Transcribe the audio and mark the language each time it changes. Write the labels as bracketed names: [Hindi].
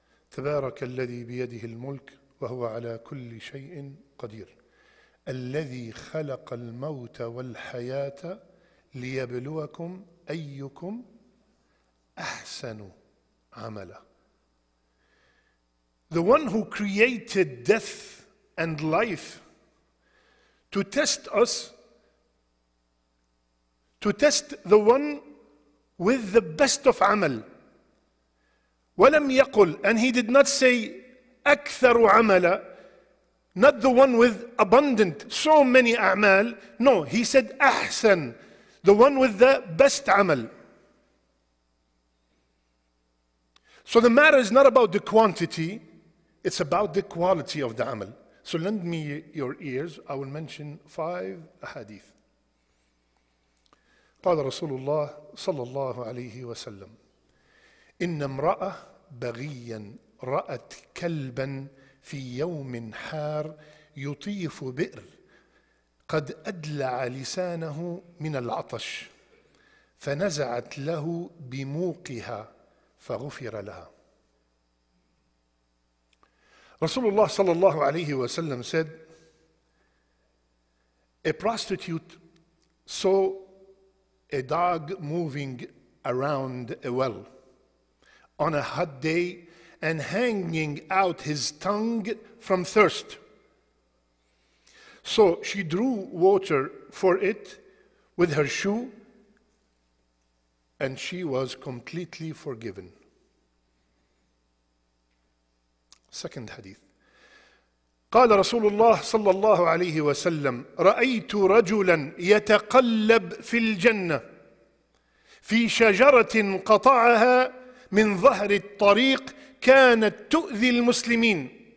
[Arabic] تبارك الذي بيده الملك وهو على كل شيء قدير الذي خلق الموت والحياة ليبلوكم أيكم أحسن عملا. [English] The one who created death and life to test us, to test the one with the best of amal. [Arabic] وَلَمْ يَقُلْ [English] And he did not say [Arabic] أَكْثَرُ عَمَلًا [English] Not the one with abundant, so many a'mal. No, he said أَحْسَن The one with the best amal. So the matter is not about the quantity, it's about the quality of the amal. So lend me your ears, I will mention five ahadith. [Arabic] قال رسول الله صلى الله عليه وسلم إن امرأة بغيا رأت كلبا في يوم حار يطيف بئر قد أدلع لسانه من العطش فنزعت له بموقها فغفر لها. رسول الله صلى الله عليه وسلم [English] said A prostitute saw a dog moving around a well on a hot day and hanging out his tongue from thirst. So she drew water for it with her shoe and she was completely forgiven. Second hadith. [Arabic] قال رسول الله صلى الله عليه وسلم رأيت رجلا يتقلب في الجنة في شجرة قطعها من ظهر الطريق كانت تؤذي المسلمين.